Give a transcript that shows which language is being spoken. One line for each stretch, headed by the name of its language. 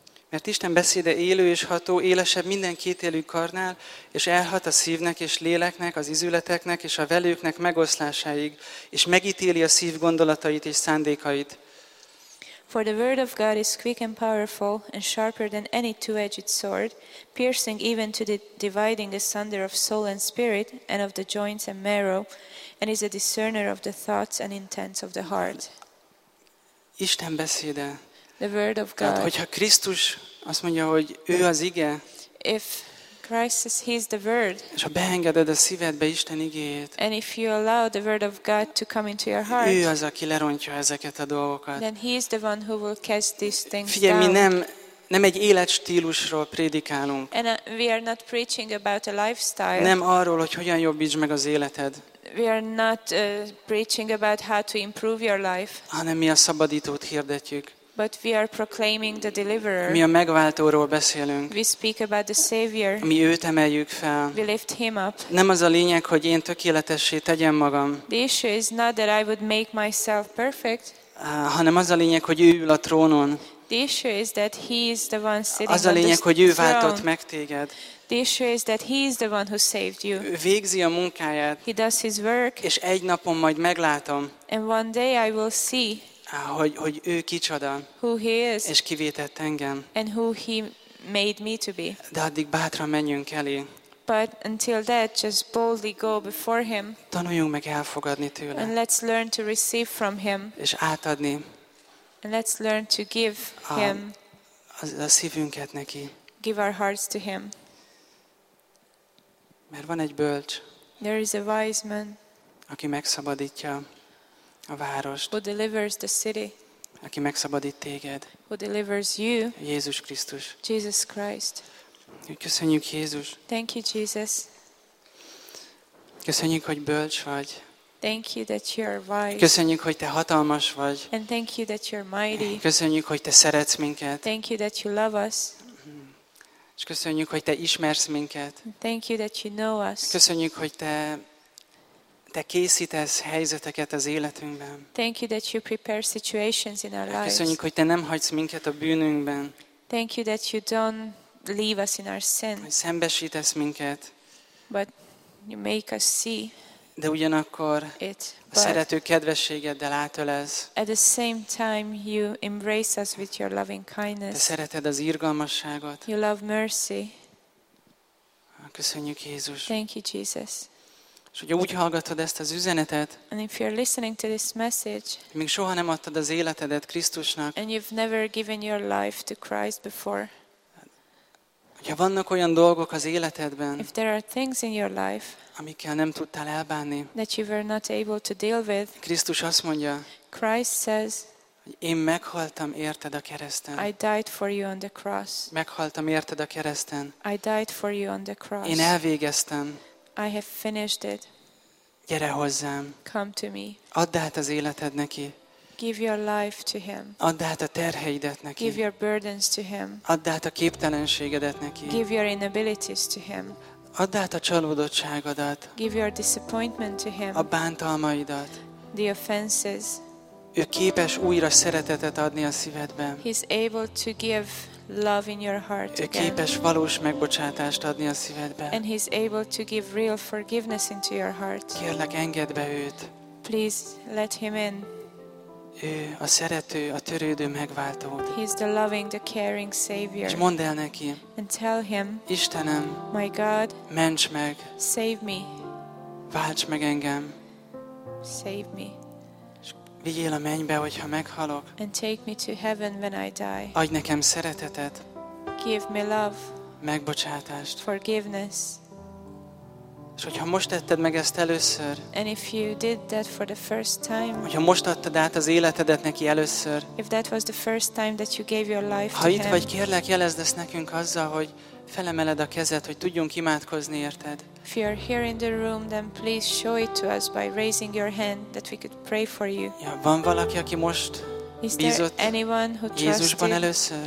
Hungarian: Mert Isten beszéde élő és ható, élesebb minden kétélű karnál, és elhat a szívnek és léleknek, az ízületeknek és a velőknek megoszlásáig, és megítéli a szív gondolatait és szándékait.
English: For the word of God is quick and powerful, and sharper than any two-edged sword, piercing even to the dividing asunder of soul and spirit, and of the joints and marrow, and is a discerner of the thoughts and intents of the heart.
Hungarian: Isten beszéde.
English: The word of God.
Hungarian: Tehát, hogyha Krisztus azt mondja, hogy ő az ige,
English: if Christ says he's the word,
Hungarian: és ha beengeded a szívedbe Isten igéjét,
English: and if you allow the word of God to come into your heart,
Hungarian: ő az, aki lerontja ezeket a dolgokat,
English: then he's the one who will cast these things
Hungarian: figyelj,
English: down.
Hungarian: Mi nem egy életstílusról prédikálunk.
English: And we are not preaching about a lifestyle.
Hungarian: Nem arról, hogy hogyan jobbítsd meg az életed.
English: We are not preaching about how to improve your life.
Hungarian: Hanem mi a szabadítót hirdetjük.
English: But we are proclaiming the deliverer.
Hungarian: Mi a megváltóról beszélünk.
English: We speak about the savior.
Hungarian: Mi őt emeljük fel.
English: We lift him up.
Hungarian: Nem az a lényeg, hogy én tökéletessé tegyem magam.
English: The issue is not that I would make myself perfect.
Hungarian: Hanem az a lényeg, hogy ő ül a trónon.
English: The issue is that he is the one sitting.
Hungarian: Az a lényeg,
English: on the
Hungarian: hogy ő váltott meg téged.
English: The issue is that he is the one who saved you.
Hungarian: Ő végzi a munkáját.
English: He does his work.
Hungarian: És egy napon majd meglátom.
English: And one day I will see.
Hungarian: Hogy ő kicsoda,
English: who he is,
Hungarian: és kivétett engem,
English: and who he made me to be.
Hungarian: De addig bátran menjünk elé.
English: But until that, just boldly go before him.
Hungarian: Tanuljunk meg elfogadni tőle.
English: And let's learn to receive from him.
Hungarian: És átadni.
English: And let's learn to give him.
Hungarian: A szívünket neki.
English: Give our hearts to him.
Hungarian: Mert van egy bölcs.
English: There is a wise man.
Hungarian: Aki megszabadítja. A várost,
English: who delivers the city,
Hungarian: aki megszabadít téged,
English: who delivers you,
Hungarian: Jézus Krisztus.
English: Jesus Christ.
Hungarian: Köszönjük, Jézus.
English: Thank you, Jesus.
Hungarian: Köszönjük, hogy bölcs vagy.
English: Thank you that you are wise.
Hungarian: Köszönjük, hogy te hatalmas vagy.
English: And thank you that you are mighty.
Hungarian: Köszönjük, hogy te szeretsz minket.
English: Thank you that you love us.
Hungarian: És köszönjük, hogy te ismersz minket.
English: Thank you that you know us.
Hungarian: Köszönjük, hogy te készítesz helyzeteket az életünkben.
English: Thank you that you prepare situations in our lives.
Hungarian: Köszönjük, hogy te nem hagysz minket a bűnünkben.
English: Thank you that you don't leave us in our sin.
Hungarian: Hogy szembesítesz minket.
English: But you make us see.
Hungarian: De ugyanakkor
English: it,
Hungarian: a szerető kedvességeddel átölelsz.
English: At the same time you embrace us with your loving kindness.
Hungarian: Te szereted az irgalmasságot.
English: You love mercy.
Hungarian: Köszönjük, Jézus.
English: Thank you, Jesus.
Hungarian: És hogyha úgy hallgatod ezt az üzenetet,
English: and if you're listening to this message,
Hungarian: még soha nem adtad az életedet Krisztusnak,
English: and you've never given your life to Christ before,
Hungarian: hogyha vannak olyan dolgok az életedben,
English: if there are things in your life,
Hungarian: amikkel nem tudtál elbánni,
English: that you were not able to deal with,
Hungarian: Krisztus azt mondja,
English: Christ says,
Hungarian: én meghaltam érted a kereszten.
English: I died for you on the cross.
Hungarian: Meghaltam érted a kereszten.
English: I died for you on the cross.
Hungarian: Én elvégeztem.
English: I have finished it.
Hungarian: Gyere hozzám.
English: Come to me.
Hungarian: Add át az életed neki.
English: Give your life to him.
Hungarian: Add át a terheidet neki.
English: Give your burdens to him.
Hungarian: Add át a képtelenségedet neki.
English: Give your inabilities to him.
Hungarian: Add át a csalódottságodat.
English: Give your disappointment to him.
Hungarian: A bántalmaidat.
English: The offenses.
Hungarian: Ő képes újra szeretetet adni a szívedben.
English: He's able to give love in your heart again.
Hungarian: Ő képes valós megbocsátást adni a szívedben.
English: And he's able to give real forgiveness into your heart.
Hungarian: Kérlek, engedd be őt.
English: Please let him in.
Hungarian: Ő a szerető, a törődő megváltód.
English: He's the loving, the caring savior.
Hungarian: És mondd el neki.
English: And tell him.
Hungarian: Istenem.
English: My God.
Hungarian: Ments meg.
English: Save me.
Hungarian: Válts meg engem.
English: Save me.
Hungarian: Vigyél a mennybe, hogyha meghalok.
English: And take me to heaven when I die.
Hungarian: Adj nekem szeretetet.
English: Give me love.
Hungarian: Megbocsátást.
English: Forgiveness.
Hungarian: És hogyha most tetted meg ezt először.
English: And if you did that for the first time.
Hungarian: Hogyha most adtad át az életedet neki először.
English: If that was the first time that you gave your life to him.
Hungarian: Ha itt vagy, kérlek, jelezd ezt nekünk azzal, hogy felemeled a kezed, hogy tudjunk imádkozni érted.
English: If you are here in the room, then please show it to us by raising your hand that we could pray for you.
Hungarian: Ja, van valaki, aki most bízott Jézusban először?